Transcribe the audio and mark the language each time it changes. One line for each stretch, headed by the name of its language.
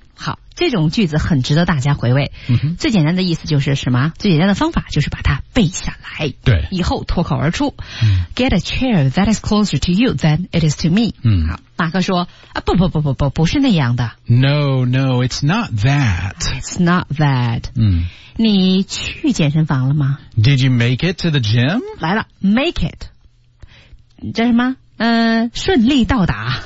Chinese: 好，这种句子很值得大家回味。嗯、最简单的意思就是什么？最简单的方法就是把它背下来。对。以后脱口而出、嗯。
English: Get a chair that is closer to you than it is to me.
Chinese: 嗯。好，马克说啊，不不不不不，不是那样的。
English: No, no, it's not that. It's not that.
Chinese: 嗯。你去健身房了吗
English: ?Did you make it to the gym?
Chinese: 来了 ,make it. 叫什么顺利到达。